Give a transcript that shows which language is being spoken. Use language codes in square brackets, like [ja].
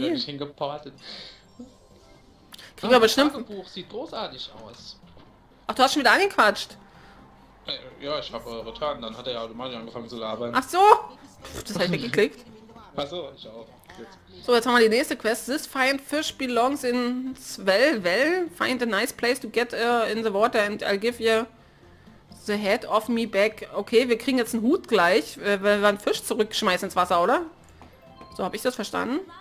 [de] wirklich hingeportet. Kriegen wir bestimmt... Das Tagebuch sieht großartig aus. Ach, du hast schon wieder angequatscht. Ja, ich habe eure Taten, dann hat er ja automatisch angefangen zu labern. Ach so! Pff, das hab ich weggeklickt. Ach so, ich auch. So, jetzt haben wir die nächste Quest. [en] This fine fish belongs in Swell Well. Find a nice place to get in the water and I'll give you the head of me back. [de] Okay, wir kriegen jetzt einen Hut gleich, wenn wir einen Fisch zurückschmeißen ins Wasser, oder? So, habe ich das verstanden?